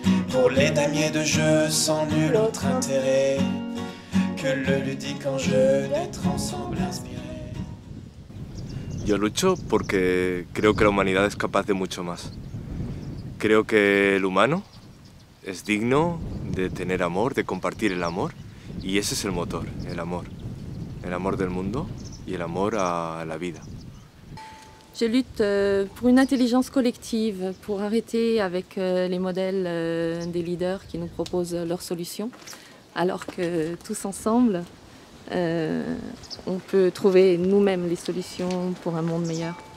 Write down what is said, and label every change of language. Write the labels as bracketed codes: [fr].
[fr] Pour les damiers de jeu, sans nul autre intérêt que le ludique enjeu d'être ensemble inspiré. [es] Yo lucho porque creo que la humanidad es capaz de mucho más. Creo que el humano es digno de tener amor, de compartir el amor. Y ese es el motor, el amor. El amor del mundo y el amor a la vida. [fr] Je lutte pour une intelligence collective, pour arrêter avec les modèles des leaders qui nous proposent leurs solutions, alors que tous ensemble, on peut trouver nous-mêmes les solutions pour un monde meilleur.